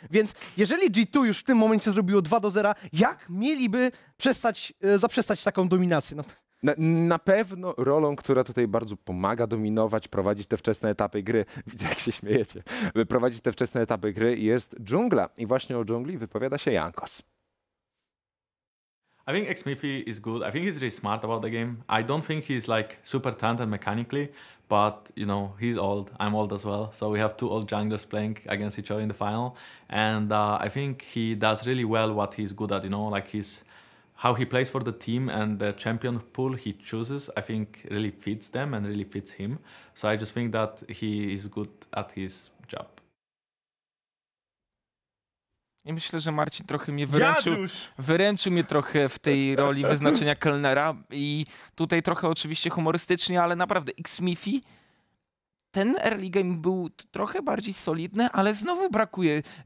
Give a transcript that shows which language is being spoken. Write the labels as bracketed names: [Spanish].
[Polish] Więc jeżeli G2 już w tym momencie zrobiło 2-0, jak mieliby zaprzestać taką dominację? Na pewno rolą, która tutaj bardzo pomaga dominować, prowadzić te wczesne etapy gry, widzę jak się śmiejecie, by prowadzić te wczesne etapy gry, jest dżungla. I właśnie o dżungli wypowiada się Jankos. [English] I think XMiFi is good. I think he's really smart about the game. I don't think he's like super talented mechanically, but you know, he's old. I'm old as well. So we have two old junglers playing against each other in the final. And I think he does really well what he's good at, you know, like his how he plays for the team and the champion pool he chooses, I think really fits them and really fits him. So I just think that he is good at his job. [Polish] I myślę, że Marcin trochę mnie wyręczył. Wyręczył mnie trochę w tej roli wyznaczenia kelnera. I tutaj trochę oczywiście humorystycznie, ale naprawdę XMiFi, ten early game był trochę bardziej solidny, ale znowu brakuje.